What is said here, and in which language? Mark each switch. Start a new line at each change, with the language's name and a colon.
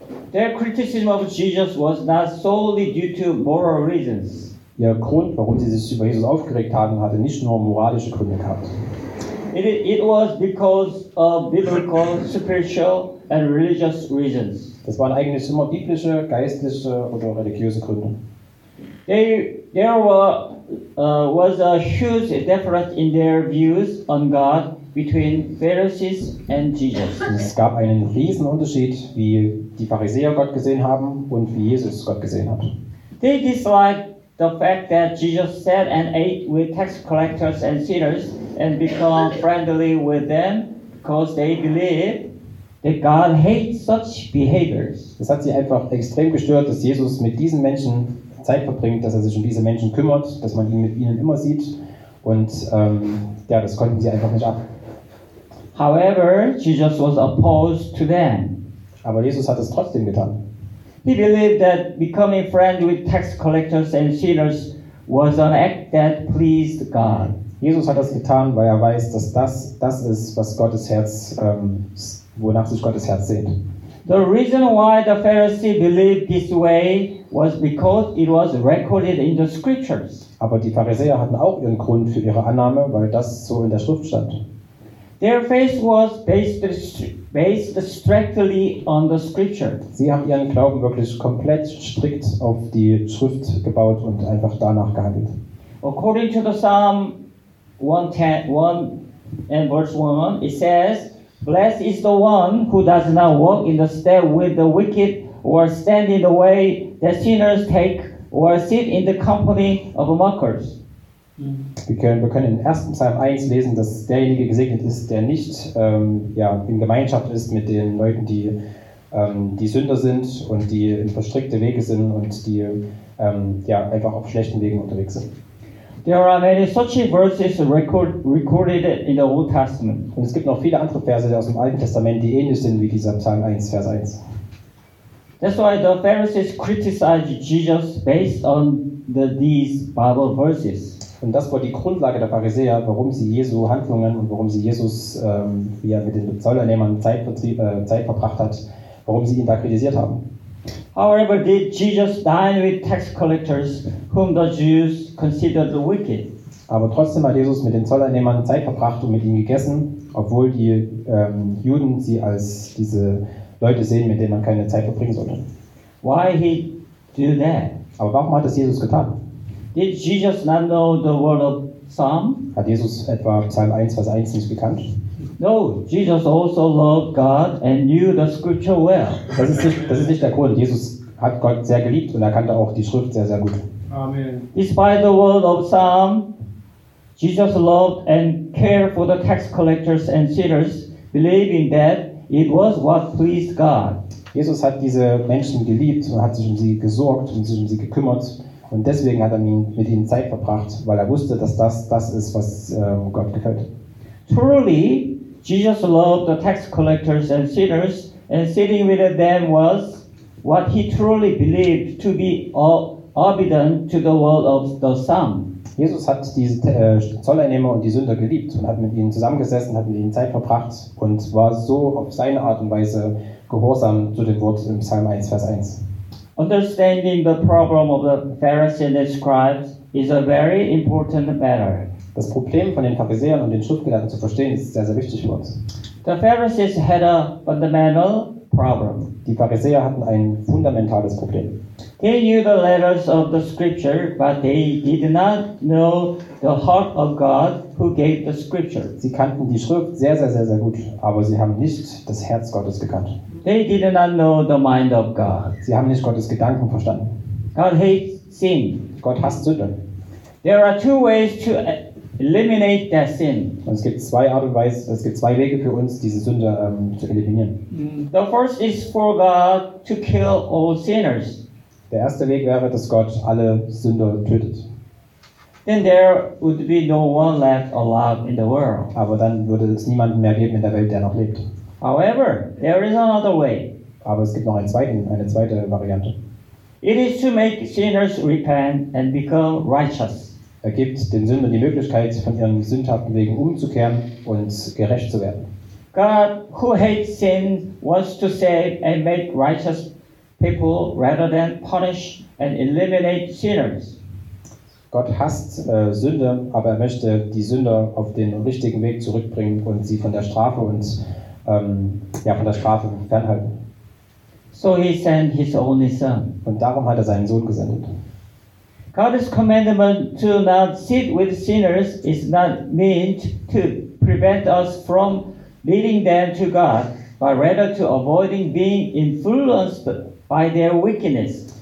English: Their criticism of Jesus was not solely due to moral reasons.
German: Ihr Grund, warum sie sich über Jesus aufgeregt haben, hatte nicht nur moralische Gründe gehabt.
English: It was because of biblical, spiritual and religious reasons.
German: Das waren eigentlich immer biblische, geistliche oder religiöse Gründe.
English: There was a huge difference in their views on God between Pharisees and Jesus.
German: Es gab einen riesen Unterschied, wie die Pharisäer Gott gesehen haben und wie Jesus Gott gesehen hat.
English: They disliked the fact that Jesus sat and ate with tax collectors and sinners and became friendly with them because they believed that God hates such behaviors.
German: Das hat sie einfach extrem gestört, dass Jesus mit diesen Menschen Zeit verbringt, dass er sich um diese Menschen kümmert, dass man ihn mit ihnen immer sieht. Und das konnten sie einfach nicht ab.
English: However, Jesus was opposed to them.
German: Aber Jesus hat es trotzdem getan.
English: He believed that becoming friends with tax collectors and sinners was an act that pleased God.
German: Jesus hat das getan, weil er weiß, dass das ist, was Gottes Herz, wonach sich Gottes Herz sehnt.
English: The reason why the Pharisee believed this way was because it was recorded in the scriptures.
German: Aber die Pharisäer hatten auch ihren Grund für ihre Annahme, weil das so in der Schrift stand.
English: Their faith was based strictly on the scripture.
German: Sie haben ihren Glauben wirklich komplett strikt auf die Schrift gebaut und einfach danach gehandelt.
English: According to the Psalm 110 and verse 1, it says, "Blessed is the one who does not walk in the step with the wicked, or stand in the way that sinners take, or sit in the company of mockers."
German: Wir können in 1. Psalm 1 lesen, dass derjenige gesegnet ist, der nicht in Gemeinschaft ist mit den Leuten, die Sünder sind und die in verstrickte Wege sind und die einfach auf schlechten Wegen unterwegs sind.
English: There are many such verses recorded in the Old Testament.
German: Und es gibt noch viele andere Verse aus dem Alten Testament, die ähnlich sind wie dieser Psalm 1, Vers 1.
English: That's why the Pharisees criticized Jesus based on these Bible verses.
German: Und das war die Grundlage der Pharisäer, warum sie Jesu Handlungen und warum sie Jesus, wie er mit den Zollernehmern Zeit verbracht hat, warum sie ihn da kritisiert haben.
English: However, did Jesus dine with tax collectors, whom the Jews considered wicked?
German: Aber trotzdem hat Jesus mit den Zollernehmern Zeit verbracht und mit ihnen gegessen, obwohl die Juden sie als diese Leute sehen, mit denen man keine Zeit verbringen sollte.
English: Why he do that?
German: Aber warum hat das Jesus getan?
English: Did Jesus not know the word of Psalm?
German: Hat Jesus etwa Psalm 1, Vers 1 nicht gekannt?
English: No, Jesus also loved God and knew the scripture well.
German: Das ist nicht der Grund. Jesus hat Gott sehr geliebt und er kannte auch die Schrift sehr, sehr gut. Amen.
English: Despite the word of Psalm, Jesus loved and cared for the tax collectors and sinners, believing that it was what pleased God.
German: Jesus hat diese Menschen geliebt und hat sich um sie gesorgt und sich um sie gekümmert. Und deswegen hat er mit ihnen Zeit verbracht, weil er wusste, dass das ist, was Gott gefällt.
English: Truly, Jesus loved the tax collectors and sinners, and sitting with them was what he truly believed to be obedient to the word of the Psalm.
German: Jesus hat diese Zolleinnehmer und die Sünder geliebt und hat mit ihnen zusammengesessen, hat mit ihnen Zeit verbracht und war so auf seine Art und Weise gehorsam zu dem Wort im Psalm 1, Vers 1.
English: Understanding the problem of the Pharisees and the scribes is a very important matter.
German: Das Problem von den Pharisäern und den Schriftgelehrten zu verstehen ist sehr, sehr wichtig für uns.
English: The Pharisees had a fundamental problem.
German: Die Pharisäer hatten ein fundamentales Problem.
English: They knew the letters of the scripture, but they did not know the heart of God who gave the scripture.
German: Sie kannten die Schrift sehr, sehr, sehr, sehr gut, aber sie haben nicht das Herz Gottes gekannt.
English: They did not know the mind of God.
German: Sie haben nicht Gottes Gedanken verstanden.
English: God hates sin.
German: Gott hasst Sünde.
English: There are two ways to eliminate that sin.
German: Und es gibt zwei Wege für uns, diese Sünde zu eliminieren.
English: The first is for God to kill all sinners.
German: Der erste Weg wäre, dass Gott alle Sünder tötet.
English: then there would be no one left alive in the world.
German: Aber dann würde es niemanden mehr geben in der Welt, der noch lebt.
English: However, there is another way.
German: Aber es gibt noch eine zweite Variante.
English: It is to make sinners repent and become righteous.
German: Er gibt den Sündern die Möglichkeit, von ihren sündhaften Wegen umzukehren und gerecht zu werden.
English: God, who hates sin, wants to save and make righteous people rather than punish and eliminate sinners.
German: Gott hasst Sünde, aber er möchte die Sünder auf den richtigen Weg zurückbringen und sie von der Strafe und von der Strafe fernhalten.
English: So he sent his only son.
German: Und darum hat er seinen Sohn gesendet.
English: God's commandment to not sit with sinners is not meant to prevent us from leading them to God, but rather to avoiding being influenced by their wickedness.